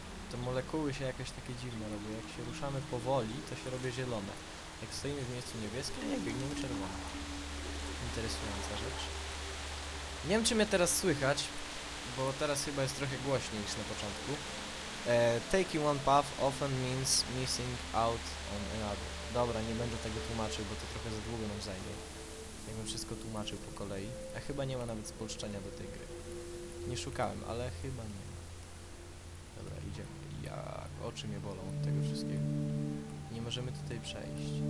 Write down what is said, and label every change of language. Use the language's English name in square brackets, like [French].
[Polish] Te molekuły się jakieś takie dziwne robią. Jak się ruszamy powoli, to się robi zielone. Jak stoimy w miejscu niebieskim, nie biegniemy czerwone. Interesująca rzecz. Nie wiem, czy mnie teraz słychać, bo teraz chyba jest trochę głośniej niż na początku. [English] Taking one path often means missing out on another. [Polish] Dobra, nie będę tego tłumaczył, bo to trochę za długo nam zajmie. Jakbym wszystko tłumaczył po kolei. A chyba nie ma nawet spolszczenia do tej gry. Nie szukałem, ale chyba nie ma. Dobra, idziemy. Jak oczy mnie bolą od tego wszystkiego. Nie możemy tutaj przejść.